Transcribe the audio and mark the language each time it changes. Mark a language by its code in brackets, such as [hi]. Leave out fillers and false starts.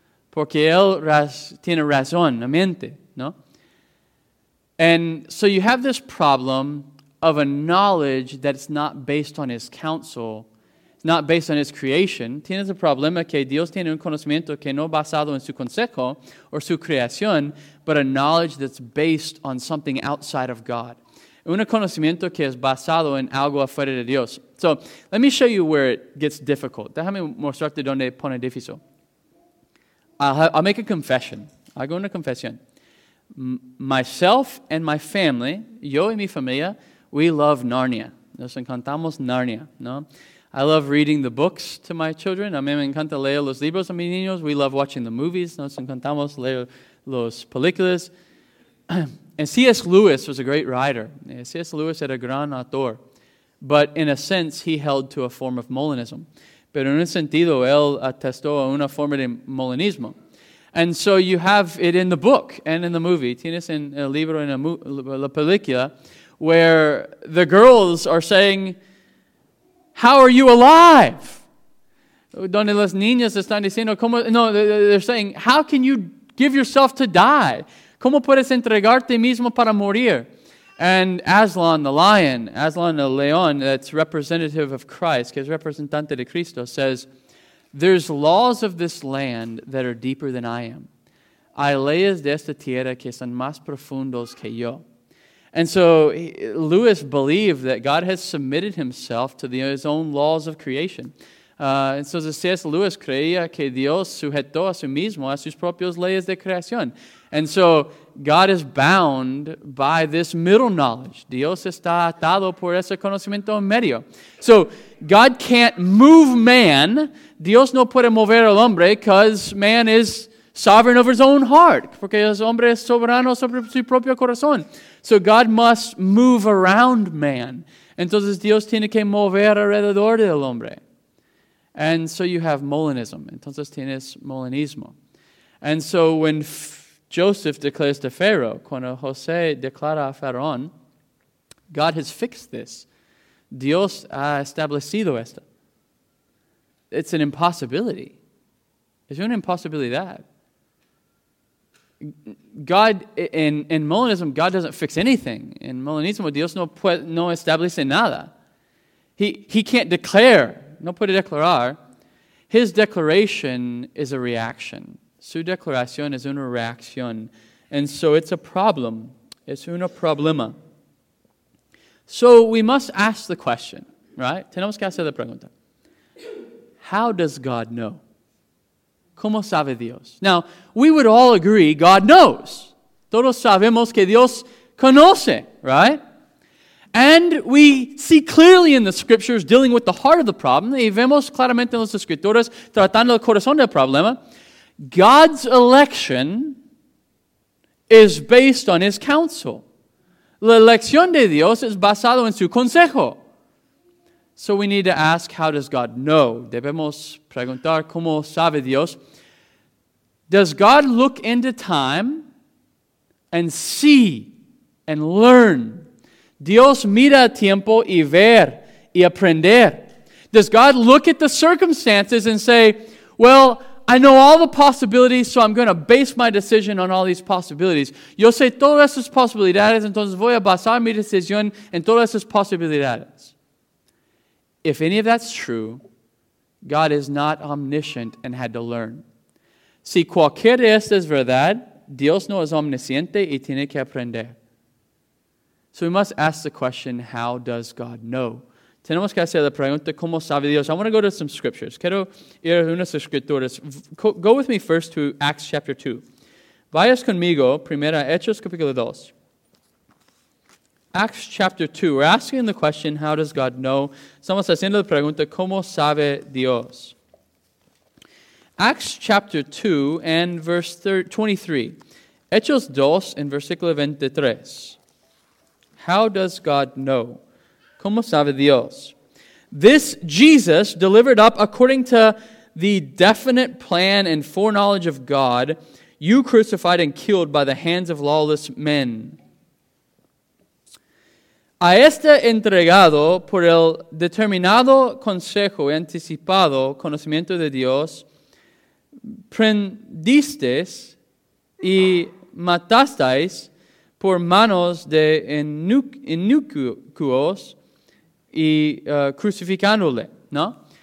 [es] Porque él tiene razón, la mente, ¿no? [en] And so you have this problem of a knowledge that's not based on his counsel, not based on his creation. [es] Tienes el problema que Dios tiene un conocimiento que no basado en su consejo o su creación, [en] but a knowledge that's based on something outside of God. [es] Un conocimiento que es basado en algo afuera de Dios. [en] So, let me show you where it gets difficult. [es] Déjame mostrarte donde pone difícil. [en] I'll make a confession. [es] Hago una confesión. [en] Myself and my family, [es] yo y mi familia, [en] we love Narnia. [es] Nos encantamos Narnia, ¿no? [en] I love reading the books to my children. [es] A mí me encanta leer los libros a mis niños. [en] We love watching the movies. [es] Nos encantamos leer los películas. [en] And C.S. Lewis was a great writer. [es] C.S. Lewis era gran autor. [en] But in a sense, he held to a form of Molinism. [es] Pero en un sentido, él atestó a una forma de Molinismo. [en] And so you have it in the book and in the movie. [es] Tienes en el libro en la película, [en] where the girls are saying, how are you alive? [es] Donde las niñas están diciendo, ¿cómo? [en] No, they're saying, how can you give yourself to die? [es] ¿Cómo puedes entregarte mismo para morir? [en] And Aslan the lion, that's representative of Christ, [es] que es representante de Cristo, [en] says, there's laws of this land that are deeper than I am. [es] Hay leyes de esta tierra que son más profundos que yo. [en] And so Lewis believed that God has submitted himself to his own laws of creation. [es] Entonces C.S. Lewis creía que Dios sujetó a sí mismo a sus propias leyes de creación. [en] And so God is bound by this middle knowledge. [es] Dios está atado por ese conocimiento medio. [en] So God can't move man. [es] Dios no puede mover al hombre [en] because man is sovereign over his own heart. [es] Porque el hombre es soberano sobre su propio corazón. [en] So God must move around man. [es] Entonces Dios tiene que mover alrededor del hombre. [en] And so you have Molinism. [es] Entonces tienes Molinismo. [en] And so when Joseph declares to Pharaoh, [es] cuando José declara a Faraón, [en] God has fixed this. [es] Dios ha establecido esto. [en] It's an impossibility. [es] Es una imposibilidad. [en] God, in Molinism, God doesn't fix anything. In [es] Molinismo, Dios no puede, no establece nada. [en] He can't declare. [es] No puede declarar. [en] His declaration is a reaction. [es] Su declaración es una reacción. [en] And so it's a problem. [es] Es un problema. [en] So we must ask the question, right? [es] Tenemos que hacer la pregunta. [en] How does God know? [es] ¿Cómo sabe Dios? [en] Now, we would all agree God knows. [es] Todos sabemos que Dios conoce, [en] right? And we see clearly in the scriptures dealing with the heart of the problem. [es] Y vemos claramente en las escrituras tratando el corazón del problema. [en] God's election is based on his counsel. [es] La elección de Dios es basado en su consejo. [en] So we need to ask, how does God know? [es] Debemos preguntar, ¿cómo sabe Dios? [en] Does God look into time and see and learn? [es] Dios mira a tiempo y ver y aprender. [en] Does God look at the circumstances and say, well, I know all the possibilities, so I'm going to base my decision on all these possibilities. [es] Yo sé todas esas posibilidades, entonces voy a basar mi decisión en todas esas posibilidades. [en] If any of that's true, God is not omniscient and had to learn. [es] Si cualquier de estas es verdad, Dios no es omnisciente y tiene que aprender. [en] So we must ask the question, how does God know? [es] Tenemos que hacer la pregunta, ¿cómo sabe Dios? [en] I want to go to some scriptures. [es] Quiero ir a unas escrituras. [en] Go with me first to Acts chapter 2. [es] Vayas conmigo, primera, Hechos capítulo 2. [en] Acts chapter 2. We're asking the question, how does God know? [es] Estamos haciendo la pregunta, ¿cómo sabe Dios? [en] Acts chapter 2 and verse 23. [es] Hechos 2 [en] and [es] versículo 23. How does God know? ¿Cómo sabe Dios? [en] This Jesus delivered up according to the definite plan and foreknowledge of God, you crucified and killed by the hands of lawless men. [es] A este entregado por el determinado consejo y anticipado conocimiento de Dios, prendisteis y matasteis por manos de inicuos y crucificándole, ¿no?